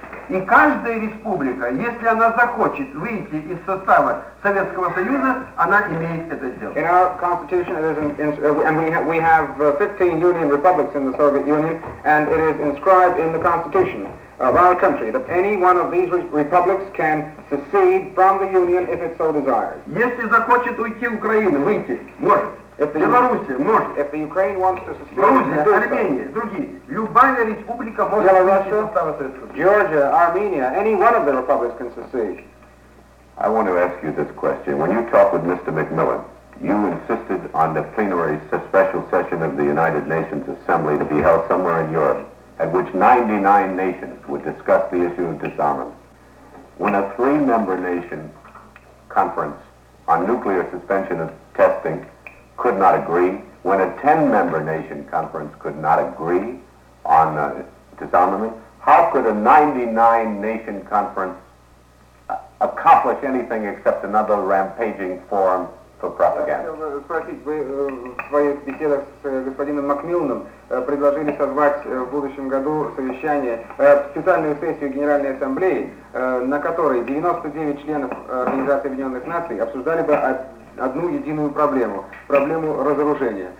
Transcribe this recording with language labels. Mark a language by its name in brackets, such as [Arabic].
[Russian] И каждая республика, если она захочет выйти из состава Советского Союза, она имеет это сделать. [English] In our constitution, it is we have 15 union republics in the Soviet Union, and it is inscribed in the constitution of our country that any one of these republics can secede from the union if it so desires. [Russian] Если захочет уйти Украина, выйти, может. Белоруссия может. [English] If the Ukraine wants to secede, [Russian] Грузия, Армения, другие. Любая республика может выйти из состава Советского Союза. [English] Georgia, Armenia, any one of the republics can secede. I want to ask you this question. When you talked with Mr. McMillan, you insisted on the plenary special session of the United Nations Assembly to be held somewhere in Europe, at which 99 nations would discuss the issue of disarmament. When a three-member nation conference on nuclear suspension of testing could not agree, when a 10-member nation conference could not agree on disarmament, how could a 99-nation conference accomplish anything except another rampaging forum for propaganda? [Russian] Спросить, вы в своих беседах с господином Макмиллоном предложили созвать в будущем году совещание, специальную сессию Генеральной Ассамблеи, на которой 99 членов Организации Объединенных Наций обсуждали бы одну единую проблему, проблему разоружения.